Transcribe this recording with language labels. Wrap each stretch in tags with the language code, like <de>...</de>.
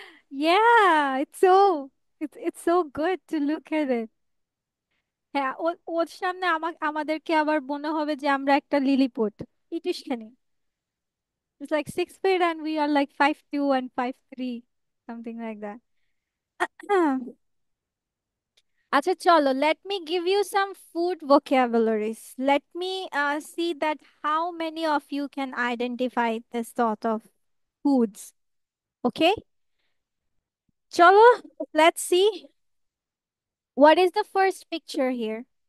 <en>Yeah, it's so good to look at it.</en> <bn>হ্যাঁ, ওর সামনে আমাদেরকে আবার মনে হবে যে আমরা একটা lilliput ইটিশখানে,</bn> <en>It's like 6 feet and we are like 5'2" and 5'3", something like that.</en> <bn>আচ্ছা চলো,</bn> <en>Let me give you some food vocabularies, let me see that how many of you can identify this sort of foods. Okay, chalo, let's see. What is the first picture here?</en>